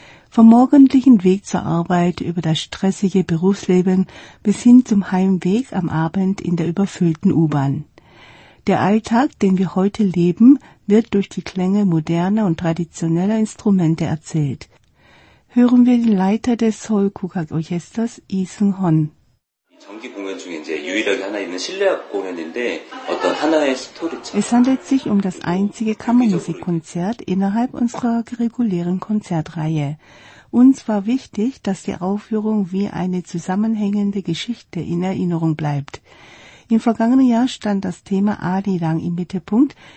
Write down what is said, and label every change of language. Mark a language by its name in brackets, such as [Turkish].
[German] Vom morgendlichen Weg zur Arbeit über das stressige Berufsleben bis hin zum Heimweg am Abend in der überfüllten U-Bahn. Der Alltag, den wir heute leben, wird durch die Klänge moderner und traditioneller Instrumente erzählt. Hören wir den Leiter des Seoul Gugak Orchesters, Lee Seung-hon. [Korean] 정기 공연 중에 이제 유일하게 하나 있는 실내 악 공연인데 어떤 하나의 스토리처럼 [German] Es handelt sich um das einzige Kammermusikkonzert innerhalb unserer regulären Konzertreihe. Uns war wichtig, dass die Aufführung wie eine zusammenhängende Geschichte in Erinnerung bleibt. Im vergangenen Jahr stand das Thema Arirang im Mittelpunkt.